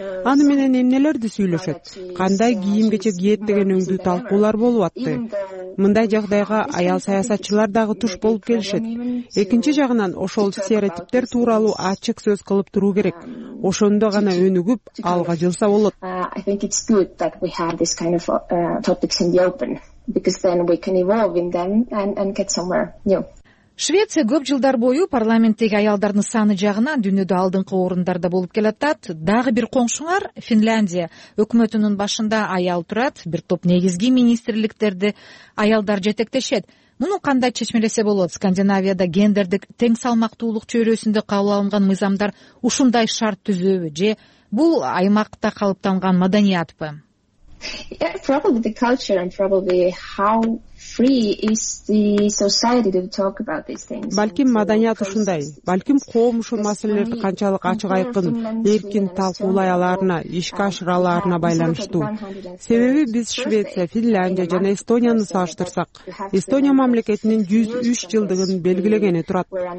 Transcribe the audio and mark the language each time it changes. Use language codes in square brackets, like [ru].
[ky] Аны менен эмнелерди сүйлөшөт? Кандай кийим кечек кийет деген өңдүү талкуулар болуп атты. Мындай жагдайга аял саясатчылар дагы туш болуп келишет. Экинчи жагынан ошол стереотиптер тууралуу ачык сөз кылып туруу керек. Ошондо гана өнүгүп алга жылса болот. [en] Because then we can evolve in them and get somewhere new. [ky] Швеция көп жылдар бою парламенттеги аялдардын саны жагынан дүйнөдө алдыңкы орундарда болуп келатат. Дагы бир коңшуңар Финляндия өкмөтүнүн башында аял турат, бир топ негизги министрликтерди аялдар жетектешет. Муну кандай чечмелесе болот? Скандинавияда гендердик тең салмактуулук чөйрөсүндө кабыл алынган мыйзамдар ушундай шарт түзөбү же бул аймакта калыптанган маданиятпы? [en] Yeah, probably the culture and probably how free is the society to talk about these things. [ky] Балким маданият ушундай, балким коом ушул маселелерди канчалык ачык айкын, эркин талкуулай аларына, ишке ашыра аларына байланыштуу. Себеби биз Швеция, Финляндия жана Эстонияны салыштырсак, Эстония мамлекетинин 103 жылдыгын белгилегени турат.